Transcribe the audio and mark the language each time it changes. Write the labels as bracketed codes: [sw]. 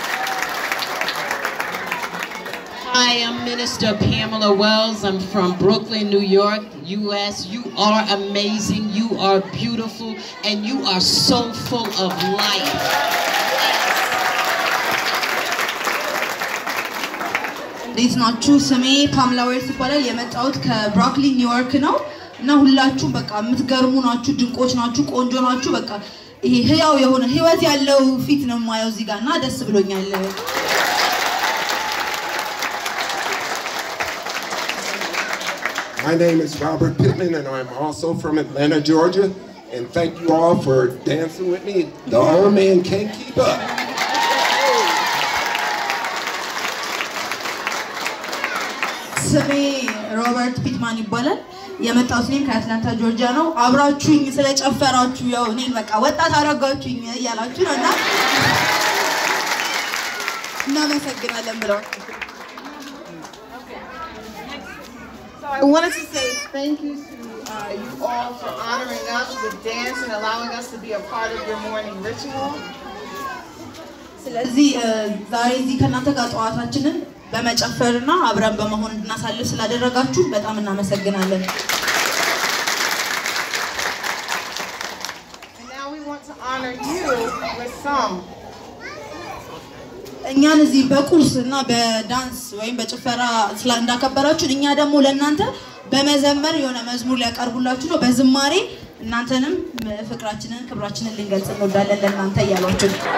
[en] Hi, I'm Minister Pamela Wells. I'm from Brooklyn, New York, US. You are amazing. You are beautiful and you are so full of life. This not true same [am] Pamela Wells ይባላል የመጣሁት ከብሮክሊን ኒውዮርክ ነው እና ሁላችሁም በቃ የምትገርሙ ናችሁ ድንቆች ናችሁ ቆንጆ ናችሁ በቃ ይሄ ህያው የሆነ ህይወት ያለው ፊት ነው ማየው እዚህ ጋርና ደስ ብሎኛል [en] My name is Robert Pittman and I'm also from Atlanta, Georgia and thank you all for dancing with me. The old man can't keep up. [am] ስሜ ሮበርት ፒትማን ይባላል የመጣሁት እኔ ከአትላንታ ጆርጂያ ነው አብራችሁኝ ስለጨፈራችሁ ያው እኔ በቃ ወጣት አረጋችሁኝ ያላችሁ ነውና እናመሰግናለን ብለዋል [en] I wanted to say thank you to you all for honoring us with dance and allowing us to be a part of your morning ritual. [am] ስለዚህ ዛሬ እዚህ ከእናንተ ጋር ጠዋታችንን በመጨፈርና አብረን በመሆን እናሳልፍ ስለደረጋችሁ በጣም እናመሰግናለን. [en] And now we want to honor you with song. [am] እኛን እዚህ በቁርስ እና በዳንስ ወይም በጭፈራ ስላንዳከበራችሁ እኛ ደግሞ ለእናንተ በመዘመር የሆነ መዝሙር ሊያቀርቡላችሁ ነው በዝማሬ እናንተንም ፍቅራችንን ክብራችንን ልንገልጽ ነው ዳለን ለእናንተ ያላችሁ